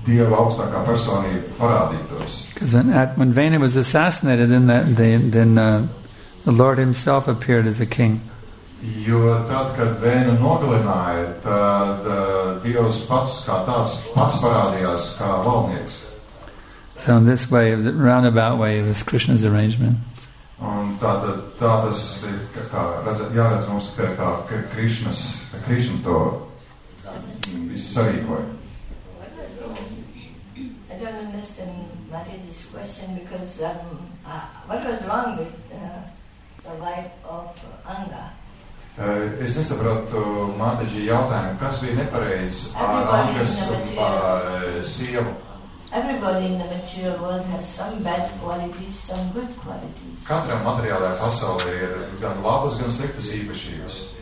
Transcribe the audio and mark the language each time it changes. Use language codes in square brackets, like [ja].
[en] Because when Vena was assassinated, then the Lord Himself appeared as a king. [lv] Jo tad, kad Vēnu nogalināja, tad Dievs pats kā tāds pats parādījās kā valdnieks. [en] So in this way, it was a roundabout way, it was Krishna's arrangement. [lv] Un tā tas ir, jāredz mums, kā Krishna to visu sarīkoja. [en] I don't understand Matthew's question because what was wrong with the wife of Anga? [lv] Es nesaprotu Mātiģi jautājumu, kas bija nepareiz ar Angas sievu. [en] Everybody in the material world has some bad qualities, some good qualities. [lv] Katram materiālajā pasaulē ir gan labas, gan sliktas īpašības.